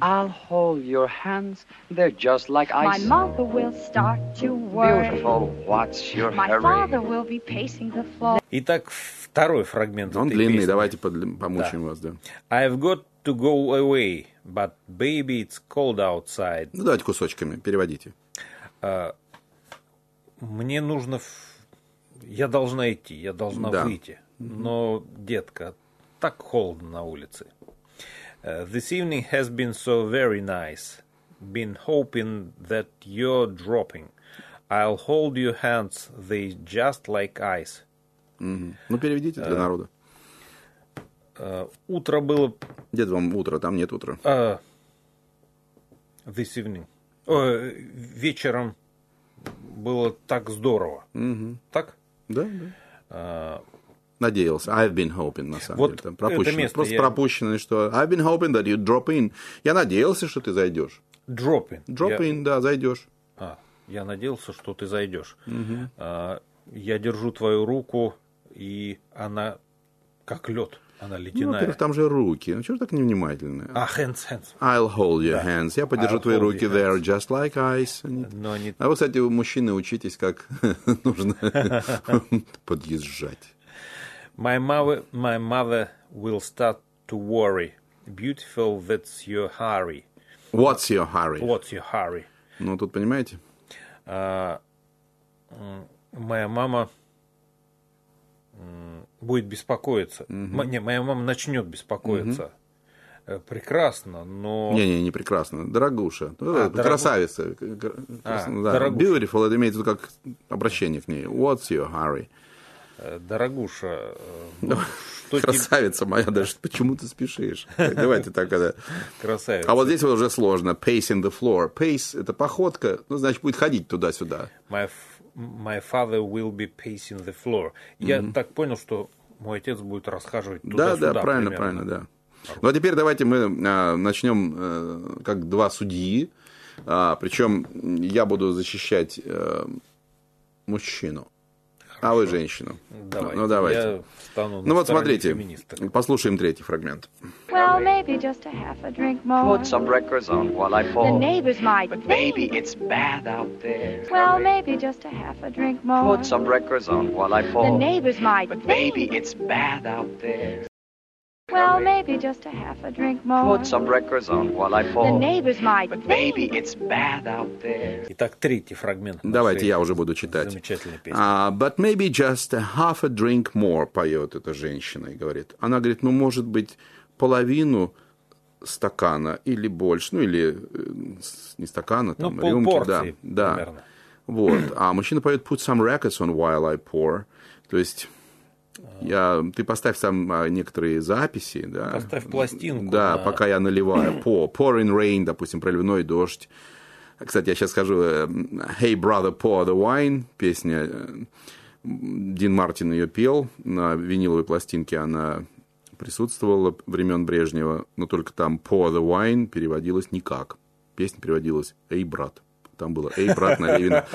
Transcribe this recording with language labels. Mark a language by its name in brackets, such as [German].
[English] I'll hold your hands. They're just like ice. My mother will start to worry. Beautiful, what's your My hurry? My father will be pacing the floor. [Russian] Итак, второй фрагмент Он этой длинный, песни. Давайте помучим вас, да. [English] I've got to go away, but baby, it's cold outside. [Russian] Ну, давайте кусочками, переводите. мне нужно, я должна идти, я должна выйти. Но, детка, так холодно на улице. [English] This evening has been so very nice. Been hoping that you're dropping. I'll hold your hands, they just like ice. Mm-hmm. [Russian] Ну, переведите для народа. Утро было... Дед, вам утро, там нет утра. [English] This evening. [Russian] Вечером было так здорово. Mm-hmm. Так? Да, да. Надеялся. [English] I've been hoping, [Russian] на самом вот деле. Там пропущено. Просто я... пропущено, что [English] I've been hoping that you drop in. [Russian] Я надеялся, что ты зайдешь. [English] Drop in. Drop in, [Russian] да, зайдешь. А, я надеялся, что ты зайдешь. Угу. Я держу твою руку, и она как лед, она ледяная. Ну, во-первых, там же руки. Ну, чего же так невнимательные? [English] А, hands, hands. I'll hold your hands. [Russian] Я подержу твои руки. [English] They are just like ice. [Russian] Но они... А вы, кстати, мужчины, учитесь, как нужно подъезжать. [English] My mother will start to worry. Beautiful, that's your hurry. What's your hurry? What's your hurry? [Russian] Ну, тут понимаете? Моя мама будет беспокоиться. Mm-hmm. Моя мама начнет беспокоиться. Mm-hmm. Прекрасно, но... Не прекрасно. Дорогуша. Красавица. Дорогуша. Beautiful, это имеется как обращение к ней. [English] What's your hurry? [Russian] Дорогуша, что красавица тебе... моя, даже почему ты спешишь? Давайте так, когда... Красавица. А вот здесь вот уже сложно. [English] Pacing the floor. [Russian] Pace – это походка, ну, значит, будет ходить туда-сюда. [English] My father will be pacing the floor. [Russian] Я mm-hmm. так понял, что мой отец будет расхаживать туда-сюда. Да, да, правильно, примерно. Правильно, да. Ну, а теперь давайте мы начнем как два судьи. Причем я буду защищать мужчину. Хорошо. А вы женщину. Давайте. Ну, давайте. Я встану на ну, вот смотрите, феминисток. Послушаем третий фрагмент. [English] Well, maybe just a half a drink more. Put some records on while I fall. The neighbors might think. But maybe it's bad out there. Well, maybe just a half a drink more. Put some records on while I fall. The neighbors might think. But maybe it's bad out there. Well, maybe just a half a drink more. Put some records on while I fall. The neighbors might think. But maybe it's bad out there. [Russian] Итак, третий фрагмент. Давайте я уже буду читать. Замечательная песня. [English] But maybe just a half a drink more, [Russian] поет эта женщина и говорит. Она говорит, ну, может быть, половину стакана или больше. Ну, или не стакана, там, ну, рюмки. Ну, полпорции, да, да. Примерно. Вот. А мужчина поет [English] put some records on while I pour. [Russian] То есть... Ты поставь сам некоторые записи, да. Поставь пластинку. Да, на... пока я наливаю. [English] Pouring rain, [Russian] допустим, проливной дождь. Кстати, я сейчас скажу [English] Hey, brother, pour the wine. [Russian] Песня Дин Мартин ее пел. На виниловой пластинке она присутствовала времен Брежнева, но только там [English] pour the wine [Russian] переводилась никак. Песня переводилась Эй, брат. Там было «Эй, брат, наливай».